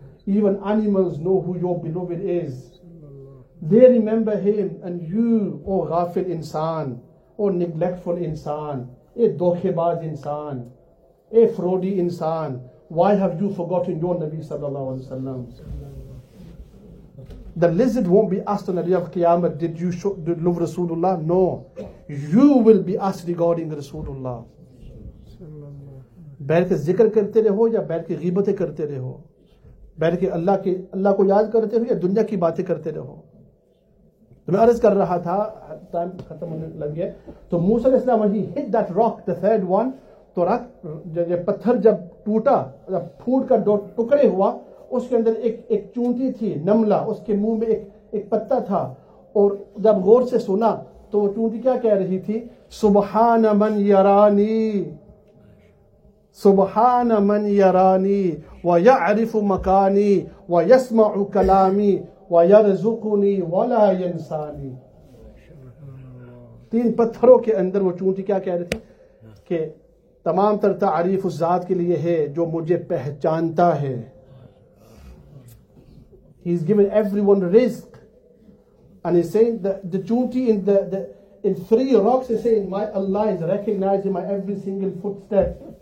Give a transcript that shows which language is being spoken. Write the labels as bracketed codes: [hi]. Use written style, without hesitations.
[en] Even animals know who your beloved is. They remember him, and you, O ghafil insan, O neglectful insan, a dokhibaz insan, a fraudy insan, why have you forgotten your Nabi sallallahu alayhi wa sallam? The lizard won't be asked on the day of Qiyamah, did you love Rasulullah? No. You will be asked regarding Rasulullah. [ur] بلکہ ذکر کرتے رہو یا بلکہ غیبتیں کرتے رہو بلکہ اللہ کو یاد کرتے رہو یا دنیا کی باتیں کرتے رہو. میں عرض کر رہا تھا, ٹائم ختم ہونے لگ گیا, تو موسیٰ علیہ السلام ہی [en] hit that rock the third one, [ur] تو راک یہ پتھر جب ٹوٹا, جب پھوٹ کا ٹکڑے ہوا, اس کے اندر ایک چونٹی تھی نملہ, اس کے منہ میں ایک پتا تھا, اور جب غور سے سنا تو وہ چونٹی کیا کہہ رہی تھی, [ar] سبحان من یرانی سبحان من یرانی ویعرف مکانی ویسمع کلامی ویرزقنی ولا ینسانی. [ur] تین پتھروں کے اندر وہ چونٹی کیا کہہ رہی تھی کہ تمام تر تعریف اس ذات کے لیے ہے جو مجھے پہچانتا ہے. [en] He is giving everyone risk. And he's saying that the chunti in the in three rocks is saying, my Allah is recognizing my every single footstep.